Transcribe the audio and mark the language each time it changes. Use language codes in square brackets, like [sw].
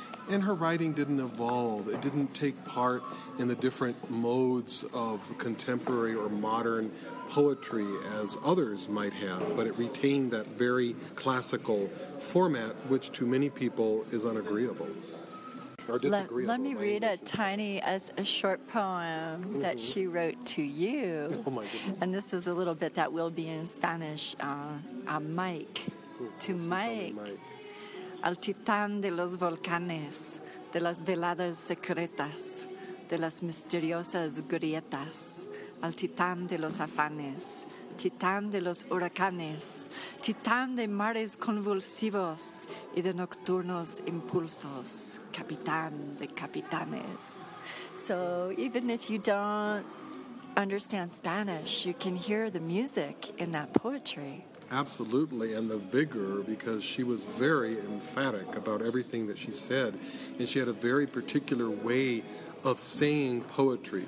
[en] And her writing didn't evolve. It didn't take part in the different modes of contemporary or modern poetry as others might have, but it retained that very classical format, which to many people is unagreeable or disagreeable. Let me read a short poem that she wrote to you. Oh, my goodness. And this is a little bit that will be in Spanish. Mike. To Mike. [es] Al titán de los volcanes, de las veladas secretas, de las misteriosas grietas. Al titán de los afanes, titán de los huracanes, titán de mares convulsivos y de nocturnos impulsos, capitán de capitanes. [en] So even if you don't understand Spanish, you can hear the music in that poetry. Absolutely, and the vigor, because she was very emphatic about everything that she said, and she had a very particular way of saying poetry.